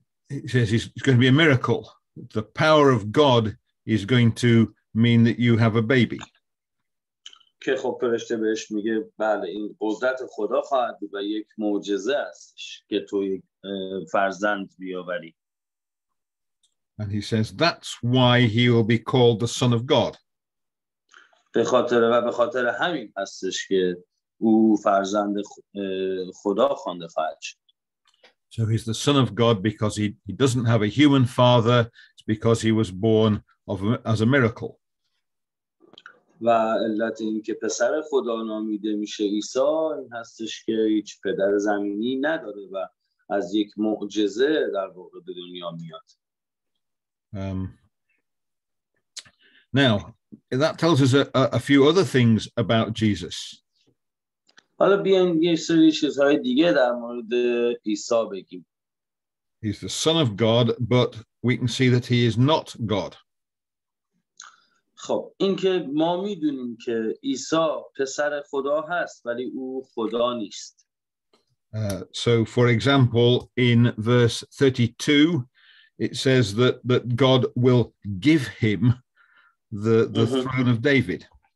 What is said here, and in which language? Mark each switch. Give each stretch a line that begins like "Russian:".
English: He says it's going to be a miracle. The power of God is going to mean that you have a baby.
Persian: که خب پرشته بهش میگه بله این قدرت خدا خواهد و یک معجزه است که تو فرزند بیاوری.
English: And he says that's why he will be called the Son of God.
Persian: به خاطر و به خاطر همین هستش که او فرزند خدا خوانده خواهد شد.
English: So he's the son of God because he doesn't have a human father. It's because he was born of as a miracle.
Persian: و علت این که پسر خدا نامیده میشه عیسی این هستش که هیچ پدر زمینی نداره و از یک معجزه در واقع به دنیا میاد.
English: Now, that tells us a few other things about Jesus.
Persian: حالا بیاین یه سری چیزهای دیگه در مورد عیسی بگیم.
English: He's the son of God, but we can see that he is not God.
Persian: خب این که ما میدونیم که عیسی پسر خدا هست ولی او خدا نیست.
English: So for example in verse 32 it says that God will give him the throne of David.